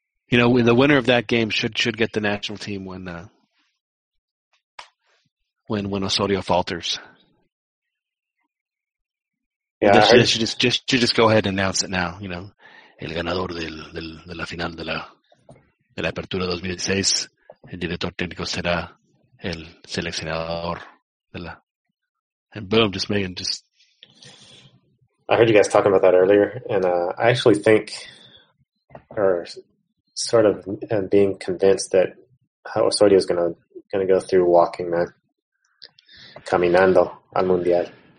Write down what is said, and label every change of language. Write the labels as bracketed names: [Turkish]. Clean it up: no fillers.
[English] You know, the winner of that game should get the national team when Osorio falters. Yeah, they should just go ahead and announce it now, you know. [Spanish] El ganador de la final de la Apertura 2006, el director técnico será el seleccionador de la... [English] And boom, just... I heard you guys talking about that earlier, and I actually think, or sort of being convinced that Osorio is going to go through walking, man. [Spanish] Caminando al Mundial.